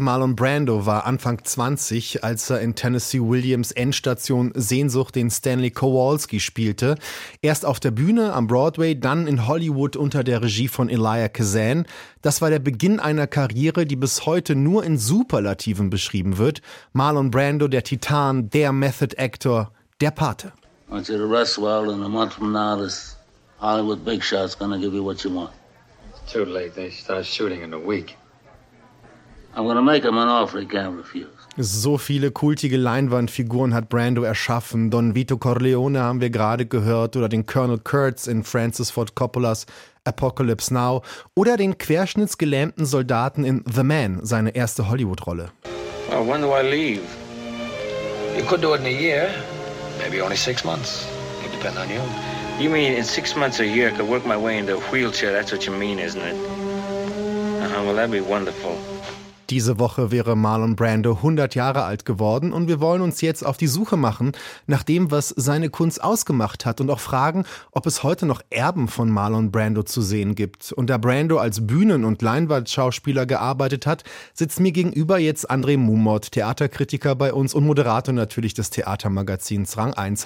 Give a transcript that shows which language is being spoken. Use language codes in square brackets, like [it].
[de] Marlon Brando war Anfang 20, als er in Tennessee Williams' Endstation Sehnsucht den Stanley Kowalski spielte. Erst auf der Bühne am Broadway, dann in Hollywood unter der Regie von Elijah Kazan. Das war der Beginn einer Karriere, die bis heute nur in Superlativen beschrieben wird. Marlon Brando, der Titan, der Method Actor, der Pate. [en] I want you to rest well and a month from now this Hollywood big shot's gonna give you what you want. Too late, they start shooting in a week. I'm gonna make him an offer he can't refuse. [de] So viele kultige Leinwandfiguren hat Brando erschaffen. Don Vito Corleone haben wir gerade gehört oder den Colonel Kurtz in Francis Ford Coppolas Apocalypse Now oder den querschnittsgelähmten Soldaten in The Man, seine erste Hollywood-Rolle. [en] Well, when do I leave? You could do it in a year. Maybe only 6 months. It depends on you. You mean in 6 months a year I could work my way into a wheelchair? That's what you mean, isn't it? Uh-huh, well, that'd be wonderful. [de] Diese Woche wäre Marlon Brando 100 Jahre alt geworden und wir wollen uns jetzt auf die Suche machen nach dem, was seine Kunst ausgemacht hat und auch fragen, ob es heute noch Erben von Marlon Brando zu sehen gibt. Und da Brando als Bühnen- und Leinwandschauspieler gearbeitet hat, sitzt mir gegenüber jetzt André Mumort, Theaterkritiker bei uns und Moderator natürlich des Theatermagazins Rang 1.